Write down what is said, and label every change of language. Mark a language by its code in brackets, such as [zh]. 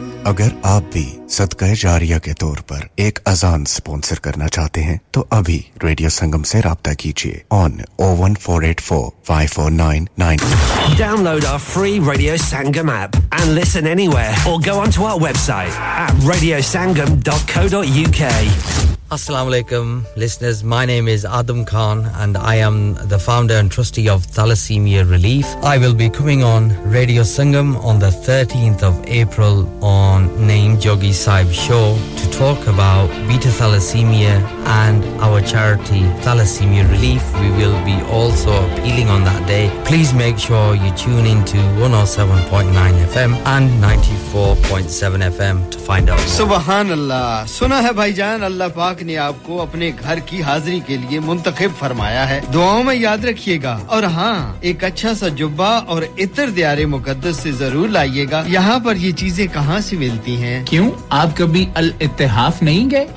[hi] अगर आप भी सदकाए जारिया के तौर पर एक अजान स्पॉन्सर करना चाहते हैं तो अभी रेडियो संगम से राब्ता कीजिए on 01484549990. [en] Download our free radio Sangam app and listen anywhere or go on to our website at radiosangam.co.uk. Assalamu alaikum listeners, my name is Adam Khan and I am the founder and trustee of Thalassemia Relief. I will be coming on Radio Sangam on the 13th of April on Naeem Jogi Saib Show to talk about beta thalassemia and our charity Thalassemia Relief. We will be also appealing on that day. Please make sure you tune in to 107.9 FM and 94.7 FM to find out more. [hi] Subhanallah, suna hai bhai jaan, Allah Pak ने आपको अपने घर की हाजिरी के लिए मुंतखब फरमाया है दुआओं में याद रखिएगा और हां एक अच्छा सा जुब्बा और इत्र दियारे मुकद्दस से जरूर लाइएगा यहां पर ये चीजें कहां से मिलती हैं क्यों आप कभी अल इत्तेहाफ नहीं गए